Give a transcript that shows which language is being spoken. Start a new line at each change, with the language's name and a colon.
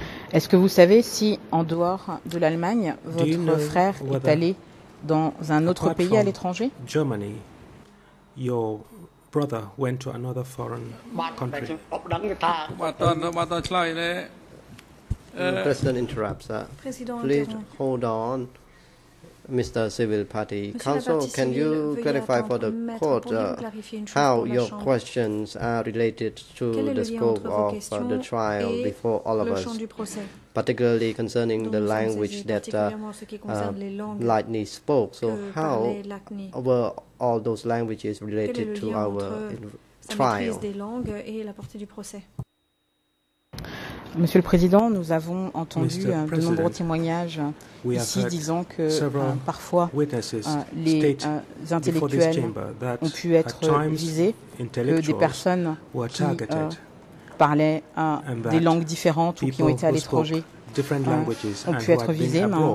French: Est-ce que vous savez si, en dehors de l'Allemagne, votre frère est allé dans un autre pays à l'étranger?
English: Germany, your brother went to another foreign country. The president interrupts. Please hold on. Mr. Civil Party
French: Monsieur
English: Council, can you clarify for the court how your questions are related to the scope of the trial before all of us, particularly concerning
French: donc
English: the language that Lachny spoke? So how were all those languages related to our trial?
French: Monsieur le Président, nous avons entendu de nombreux témoignages ici disant que parfois les intellectuels ont pu être visés, que des personnes qui parlaient des langues différentes ou qui ont été à l'étranger ont pu être visées.